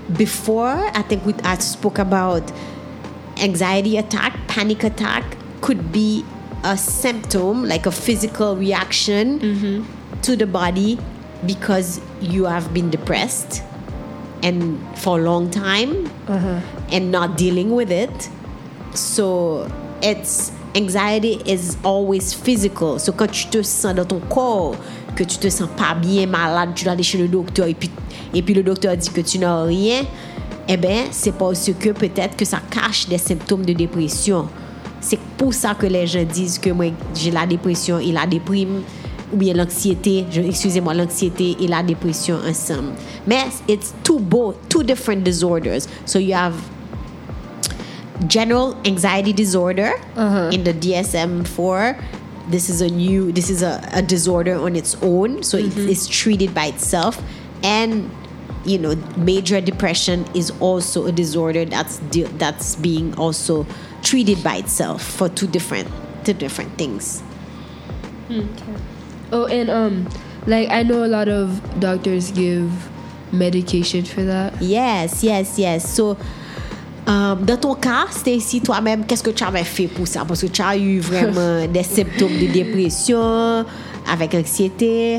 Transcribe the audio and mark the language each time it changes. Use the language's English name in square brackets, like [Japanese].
[English] Before, I think I spoke about anxiety attack, panic attack could be a symptom, like a physical reaction to the body because you have been depressed and for a long time and not dealing with it. So it's anxiety is always physical. [French] So quand tu te sens dans ton corps que tu te sens pas bien, malade, tu dois aller chez le docteur et puis le docteur dit que tu n'as rien, Eh bien, c'est parce que peut-être que ça cache des symptômes de dépression. C'est pour ça que les gens disent que moi, j'ai la dépression et la déprime, ou bien l'anxiété, excusez-moi, l'anxiété et la dépression ensemble. [English] Mais it's two different disorders. So you have general anxiety disorder in the DSM-4. This is a disorder on its own. So it's treated by itself. And, you know, major depression is also a disorder that's being also treated by itself for two different things. Okay. Oh, and like I know a lot of doctors give medication for that. Yes. [French] So dans ton cas, Stacy, toi-même, qu'est-ce que tu avais fait pour ça? Parce que tu as eu vraiment des symptômes de dépression avec anxiété.